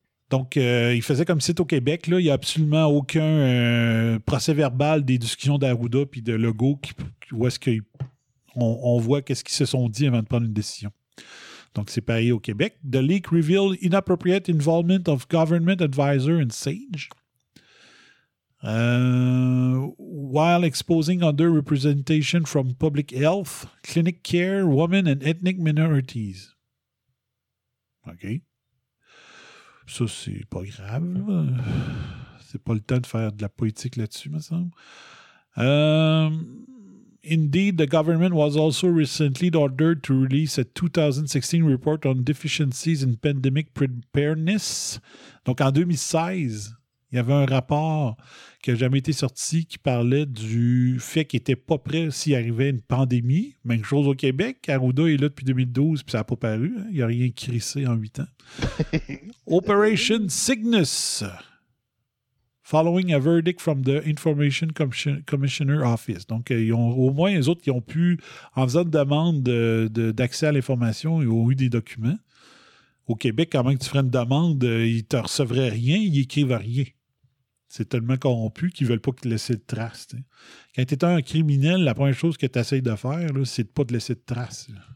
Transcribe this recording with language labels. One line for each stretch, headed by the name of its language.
French: Donc, il faisait comme site au Québec, là, il n'y a absolument aucun procès-verbal des discussions d'Arruda et de Legault où est-ce qu'on voit qu'est-ce qu'ils se sont dit avant de prendre une décision. Donc, c'est pareil au Québec.
English: The leak revealed inappropriate involvement of government advisor in SAGE. While exposing underrepresentation from public health, clinic care, women and ethnic minorities. OK.
French: Ça, c'est pas grave. Là. C'est pas le temps de faire de la politique là-dessus, me semble.
English: Indeed, the government was also recently ordered to release a 2016 report on deficiencies in pandemic preparedness.
French: Donc, en 2016, il y avait un rapport qui n'a jamais été sorti qui parlait du fait qu'ils n'étaient pas prêts s'il arrivait une pandémie. Même chose au Québec. Arruda est là depuis 2012 puis ça n'a pas paru. Hein. Il n'y a rien crissé en 8 ans. Operation Cygnus.
English: Following a verdict from the Information Commissioner Office.
French: Donc, ils ont, au moins, les autres, ils ont pu, en faisant une demande d'accès à l'information, ils ont eu des documents. Au Québec, quand même que tu ferais une demande, ils ne te recevraient rien, ils n'écrivent rien. C'est tellement corrompu qu'ils ne veulent pas te laisser de traces. T'sais. Quand tu es un criminel, la première chose que tu essaies de faire, là, c'est de ne pas te laisser de traces.